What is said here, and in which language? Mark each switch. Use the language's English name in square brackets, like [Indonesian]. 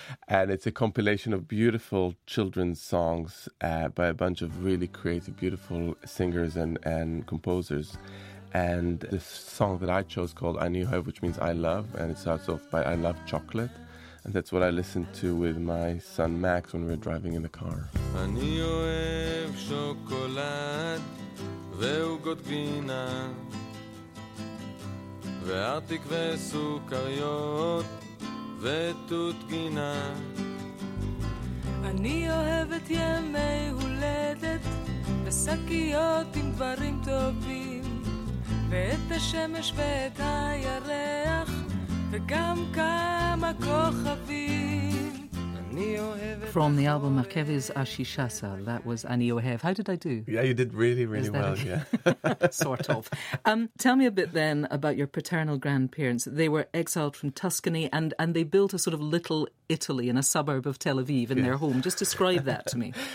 [English] And it's a compilation of beautiful children's songs by a bunch of really creative, beautiful singers and composers. And the song that I chose called I Knew Her, which means I love, and it starts off by I love chocolate. And that's what I listened to with my son Max when we were driving in the car. [Hebrew] אני אוהב שוקולד ועוגות גבינה וארטיק וסוכריות ותות גינה אני אוהב את ימי הולדת וסקיות עם דברים טובים ואת השמש ואת הירח וגם כמה כוכבים אני אוהבת [English] From the album Akeves Ashishasa, that was Ani Ohev. How did I do? Yeah, you did really, really well, yeah. Sort of. Tell me a bit then about your paternal grandparents. They were exiled from Tuscany and they built a sort of little Italy in a suburb of Tel Aviv in their home. Just describe that to me.